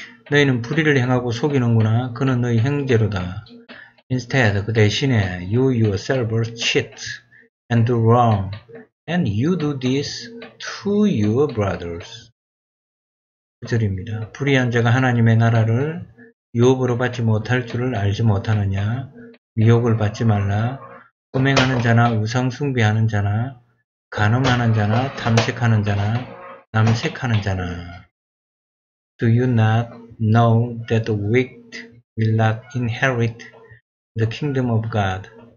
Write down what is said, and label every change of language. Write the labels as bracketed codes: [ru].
[ko] 너희는 불의를 행하고 속이는구나. 그는 너희 형제로다. [en] Instead, [ko] 그 대신에 [en] you yourself cheat and do wrong, and you do this to your brothers. [ko] 9절입니다. 불의한 자가 하나님의 나라를 유업으로 받지 못할 줄을 알지 못하느냐? 미혹을 받지 말라. 음행하는 자나 우상 숭배하는 자나 간음하는 자나 탐색하는 자나 남색하는 자나. [en] Do you not know that the wicked will not inherit the kingdom of God?